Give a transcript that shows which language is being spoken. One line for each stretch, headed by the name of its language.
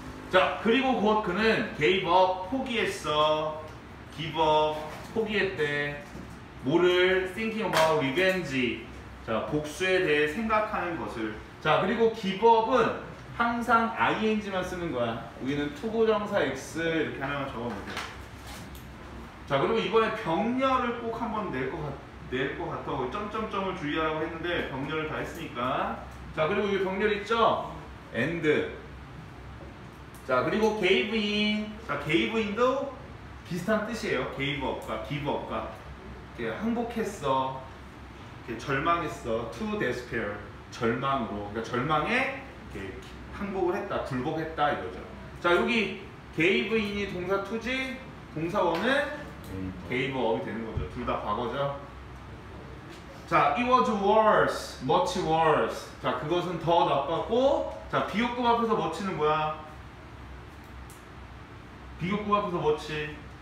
Korean: 자, 그리고 곧 그는
English: gave up,
Korean: 포기했어.
English: give up,
Korean: 포기했대. 뭐를?
English: thinking about revenge.
Korean: 자, 복수에 대해 생각하는 것을. 자, 그리고
English: give up
Korean: 은 항상 ing만 쓰는 거야. 여기는 투부정사 x 이렇게 하나만 적어볼게요. 자, 그리고 이번에 병렬을 꼭 한번 낼 것 같아. 점점점을 주의하라고 했는데 병렬을 다 했으니까. 자, 그리고 여기 병렬 있죠? and. 자, 그리고
English: gave in.
Korean: 자, gave in도 비슷한 뜻이에요.
English: gave up과 give up과.
Korean: 이렇게 항복했어. 이렇게 절망했어.
English: to despair.
Korean: 절망으로. 그러니까 절망에 이렇게 항복을 했다. 굴복했다. 이거죠. 자, 여기
English: gave in
Korean: 이 동사 2지? 동사 1은? 게이버업이 되는 거죠. 둘 다 과거죠.
English: 자, it was worse, much worse.
Korean: 자, 그것은 더 나빴고, 자, 비교급 앞에서 much는 뭐야? 비교급 앞에서 much?